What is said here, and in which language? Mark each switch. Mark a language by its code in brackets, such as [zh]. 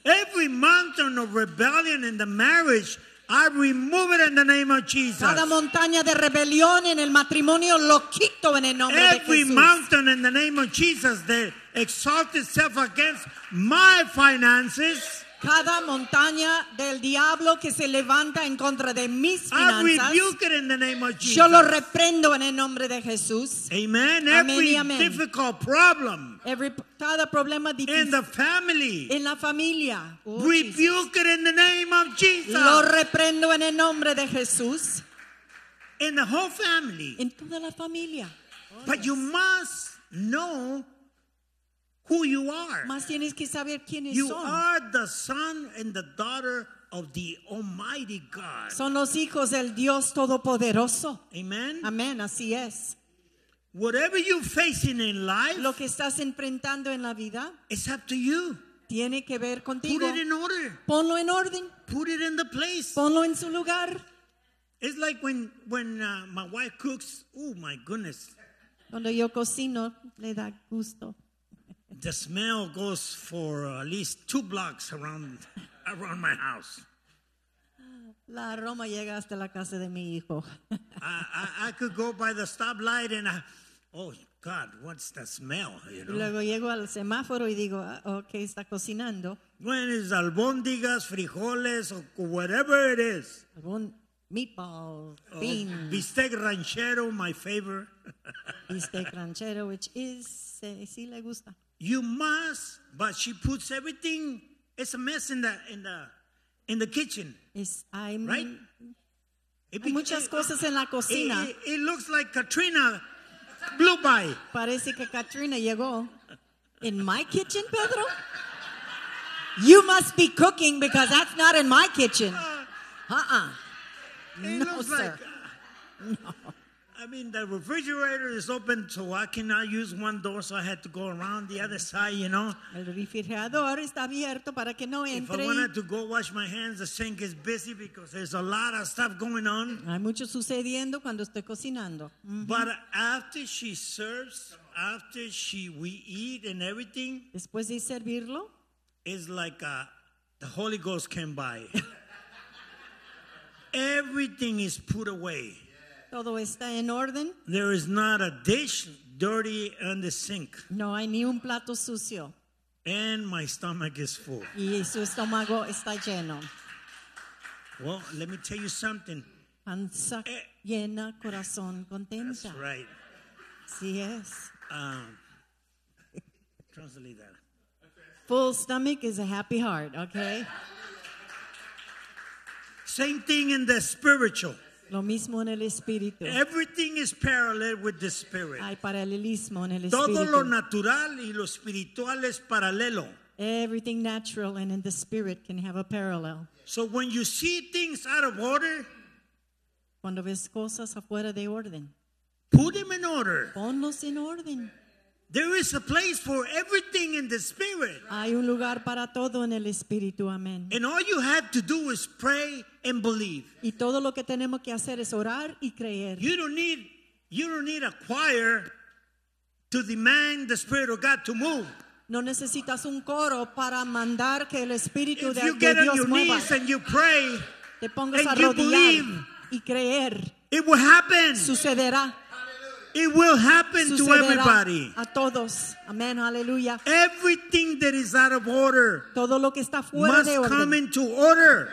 [en] Every mountain of rebellion in the marriage, I remove it in the name of Jesus. [es] Cada montaña de rebelión en el matrimonio lo quito en el nombre de Jesús. [en] Every mountain in the name of Jesus that exalts itself against my finances. [es] Cada montaña del diablo que se levanta en contra de mis finanzas. [en] I rebuke it in the name of Jesus. [es] Yo lo reprendo en el nombre de Jesús. [en] Amen. Every amen. Difficult problem. Every [es] cada problema difícil. [en] In the family. [es] En la familia. [en] Oh, rebuke Jesus. It in the name of Jesus. [es] Lo reprendo en el nombre de Jesús. [en] In the whole family. [es] En toda la familia. [en] Oh, but yes. You must know who you are. [es] Más tienes que saber quiénes son. [en] You are the son and the daughter of the Almighty God. [es] Son los hijos del Dios Todopoderoso. [en] Amen. [es] Amen. Así es. [en] Whatever you're facing in life, [es] lo que estás enfrentando en la vida, [en] it's up to you. [es] Tiene que ver contigo. [en] Put it in order. [es] Ponlo en orden. [en] Put it in the place. [es] Ponlo en su lugar. [en] It's like when my wife cooks. Oh my goodness. [es] Cuando yo cocino, le da gusto. [en] The smell goes for at least 2 blocks around my house. [es] La aroma llega hasta la casa de mi hijo. [en] I could go by the stoplight and oh God, what's the smell? You know? [es] Luego llego al semáforo y digo, okay, está cocinando. [en] When it's albóndigas, frijoles, or whatever it is. Meatball, bean. Oh, bistec ranchero, my favorite. [es] Bistec ranchero, [en] which is, [es] sí le gusta. [en] You must, but she puts everything. It's a mess in the kitchen. Right? [es] Muchas cosas en la cocina. [en] It looks like Katrina blew by. [es] Parece que Katrina llegó. [en] In my kitchen, Pedro? You must be cooking because that's not in my kitchen. It looks sir. Like. I mean, the refrigerator is open, so I cannot use one door, so I had to go around the other side, you know. [es] El refrigerador está abierto para que no entre. [en] If I wanted to go wash my hands, the sink is busy because there's a lot of stuff going on. [es] Hay mucho sucediendo cuando estoy cocinando. Mm-hmm. [en] But after she serves, after we eat and everything, [es] después de servirlo, [en] it's like the Holy Ghost came by. Everything is put away. [es] Todo está en orden. [en] There is not a dish dirty in the sink. [es] No hay ni un plato sucio. [en] And my stomach is full. [es] Y su estómago está lleno. [en] Well, let me tell you something. [es] Panza llena, corazón contenta. [en] That's right. [es] Sí es. [en] Translate that. Full stomach is a happy heart, okay? Same thing in the spiritual. [es] Lo mismo en el espíritu. [en] Everything is parallel with the spirit. [es] Hay paralelismo en el todo espíritu. Lo natural y lo espiritual es paralelo. [en] Everything natural and in the spirit can have a parallel. So when you see things out of order, [es] cuando ves cosas afuera de orden, [en] put them in order. [es] Ponlos en orden. [en] There is a place for everything in the spirit. [es] Hay un lugar para todo en el espíritu. [en] Amen. And all you have to do is pray and believe. [es] Y todo lo que tenemos que hacer es orar y creer. [en] You don't need a choir to demand the spirit of God to move. [es] No necesitas un coro para mandar que el espíritu de Dios [en] If you get on your knees and you pray, [es] te pongas a rodillar [en] and you believe, [es] y creer, [en] it will happen. [es] Sucederá. [en] It will happen [es] sucederá [en] to everybody. [es] A todos. Amen. Hallelujah. [en] Everything that is out of order, [es] todo lo que está fuera [en] must [es] de orden, [en] come into order.